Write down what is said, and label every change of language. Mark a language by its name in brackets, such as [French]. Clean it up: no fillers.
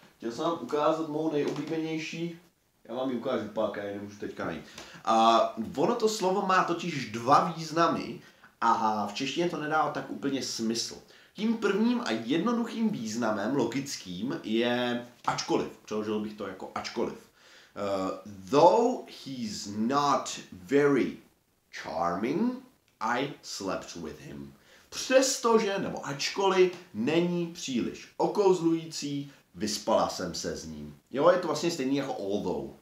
[Czech] Chtěl jsem vám ukázat mou nejoblíbenější, já vám ji ukážu pak, já ji nemůžu teďka najít. A ono to slovo má totiž dva významy a v češtině to nedává tak úplně smysl. Tím prvním a jednoduchým významem, logickým, je ačkoliv. Přeložil bych to jako ačkoliv. [English] Though he's not very charming, I slept with him. [Czech] Přestože, nebo ačkoliv, není příliš okouzlující, vyspala jsem se s ním. Jo, je to vlastně stejný jako although.